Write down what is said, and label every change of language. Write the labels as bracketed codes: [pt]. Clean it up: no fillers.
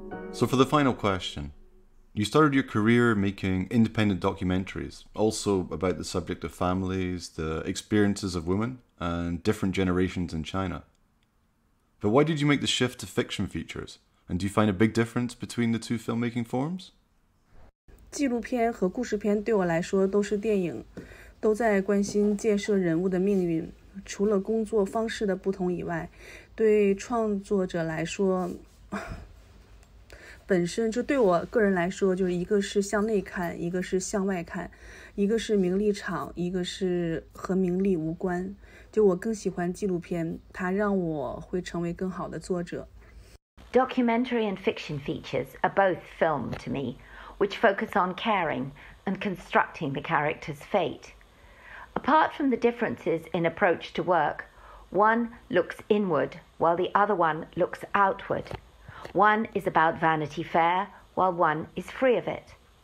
[en] So for the final question, you started your career making independent documentaries, also about the subject of families, the experiences of women, and different generations in China. But why did you make the shift to fiction features? And do you find a big difference between the two filmmaking forms? [zh] 纪录片和故事片对我来说都是电影，都在关心建设人物的命运。除了工作方式的不同以外，对创作者来说， 本身就对我个人来说，就是一个是向内看，一个是向外看，一个是名利场，一个是和名利无关。就我更喜欢纪录片，它让我会成为更好的作者。 [en] Documentary and fiction features are both film to me, which focus on caring and constructing the character's fate. Apart from the differences in approach to work, one looks inward while the other one looks outward. One is about Vanity Fair, while one is free of it.